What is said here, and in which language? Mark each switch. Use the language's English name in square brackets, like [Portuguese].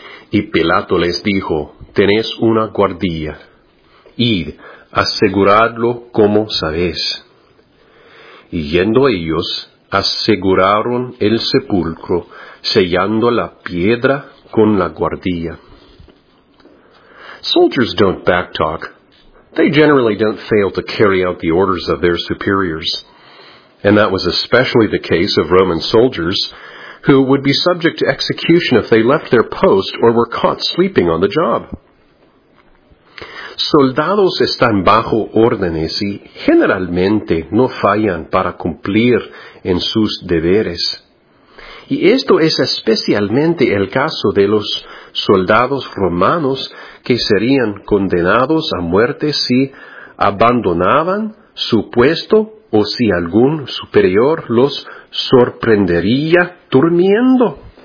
[Spanish] Y Pilato les dijo, tenéis una guardia, id, aseguradlo como sabéis. Y yendo ellos, aseguraron el sepulcro, sellando la piedra con la guardia. [English] Soldiers don't backtalk. They generally don't fail to carry out the orders of their superiors. And that was especially the case of Roman soldiers, who would be subject to execution if they left their post or were caught sleeping on the job. [Spanish] Soldados están bajo órdenes y generalmente no fallan para cumplir en sus deberes. Y esto es especialmente el caso de los soldados romanos que serían condenados a muerte si abandonaban su puesto o si algún superior los sorprendería durmiendo.